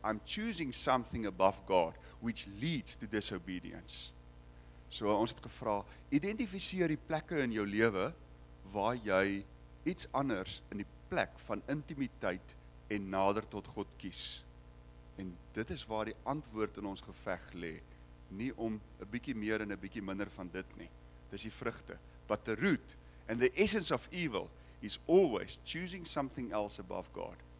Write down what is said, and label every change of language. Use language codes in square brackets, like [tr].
[en] I'm choosing something above God, which leads to disobedience. [af] So ons het gevra, identifiseer die plekke in jou lewe waar jy iets anders in die plek van intimiteit en nader tot God kies. En dit is waar die antwoord in ons geveg lê, nie om 'n bietjie meer en 'n bietjie minder van dit nie. Dis die vrugte. [en] But the root and the essence of evil is always choosing something else above God.